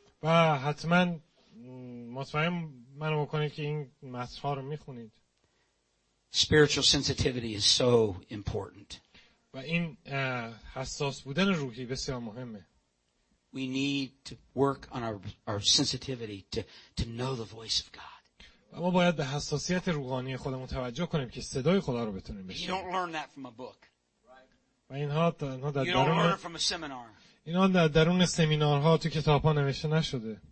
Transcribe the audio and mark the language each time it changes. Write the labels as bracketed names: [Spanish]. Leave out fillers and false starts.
[Persian] و حتما مطمئن منو بکنید که این متن‌ها رو می‌خونید. [English] Spiritual sensitivity is so important. [Persian] و این حساس بودن روحی بسیار مهمه. [English] We need to work on our sensitivity to know the voice of God. [Persian] ما باید به حساسیت روحانی خودمون توجه کنیم که صدای خدا رو بتونیم بشنویم. [English] You don't learn that from a book. [Persian] و اینها در درون seminar. اینا در درون سمینارها تو کتاب‌ها نوشته نشده.